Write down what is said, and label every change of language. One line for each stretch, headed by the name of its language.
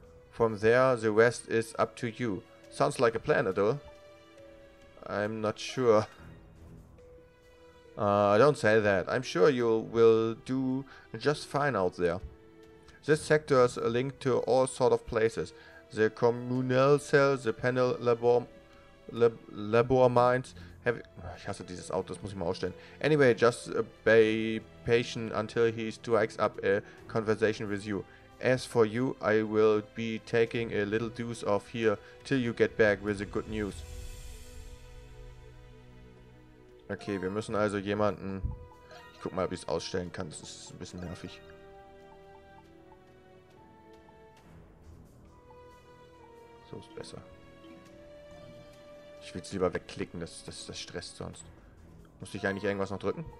English: From there, the rest is up to you. Sounds like a plan, Adol. I'm not sure. Don't say that. I'm sure you will do just fine out there. This sector is linked to all sort of places. The communal cell, the panel labor mines.
German: Have ich hasse dieses Auto, das muss ich mal ausstellen.
English: Anyway, just be patient until he strikes up a conversation with you. As for you, I will be taking a little doze off here till you get back with the good news.
German: Okay, wir müssen also jemanden. Ich guck mal, ob ich es ausstellen kann. Das ist ein bisschen nervig. So ist besser. Ich will es lieber wegklicken, das stresst sonst. Muss ich eigentlich irgendwas noch drücken?